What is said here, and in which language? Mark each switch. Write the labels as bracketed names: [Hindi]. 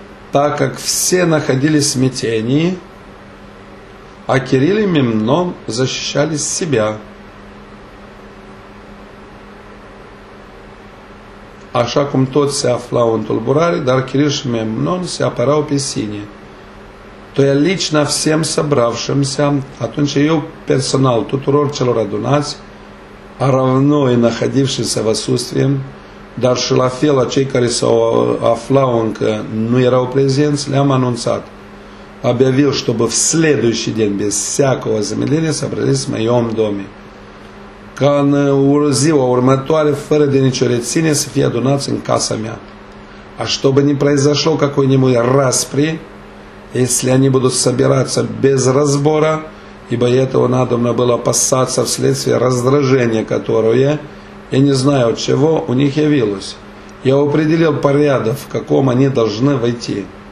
[Russian] Так как все находились в смятении, а Кирилл и Мемнон защищали себя. [Romanian] Așa cum toți se aflau în tulburare, dar Кирилл și Мемнон se apărau pe sine. [Russian] То я лично всем собравшимся, [Romanian] atunci eu personal tuturor celor adunați, [Russian] а равно и находившимся в отсутствии, [Romanian] dar și la fel a cei care s-au aflau încă nu erau prezenți, le-am anunțat. [Russian] Объявил, чтобы в следующий день без всякого замедления собрались в моем доме. [Romanian] Ca în ziua următoare, fără de nicio reține, să fie adunați în casa mea. [Russian] А чтобы не произошло какой-нибудь распри, если они будут собираться без разбора, ибо этого надобно было опасаться вследствие раздражения, которое, я не знаю от чего, у них явилось. Я определил порядок, в каком они должны войти.